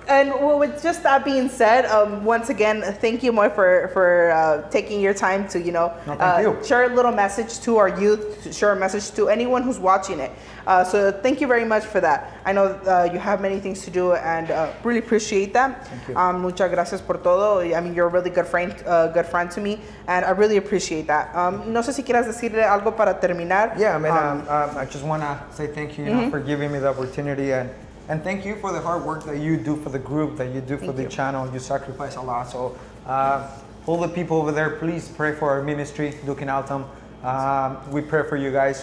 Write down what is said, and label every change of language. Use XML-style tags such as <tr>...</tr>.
<en>And well, with just that being said, once again, thank you, Moy, for taking your time to, you know, share a little message to our youth, share a message to anyone who's watching it. So thank you very much for that. I know you have many things to do and really appreciate that. Thank you.</en> <es>Muchas gracias por todo.</es> <en>I mean, you're a really good friend to me, and I really appreciate that.</en> <es>No sé si quieras decirle algo para terminar.</es> <en>Yeah, I mean, I just want to say thank you, you know, for giving me the opportunity and thank you for the hard work that you do for the group, that you do for the channel. You sacrifice a lot. So all the people over there, please pray for our ministry, Duc In Altum. We pray for you guys.</en>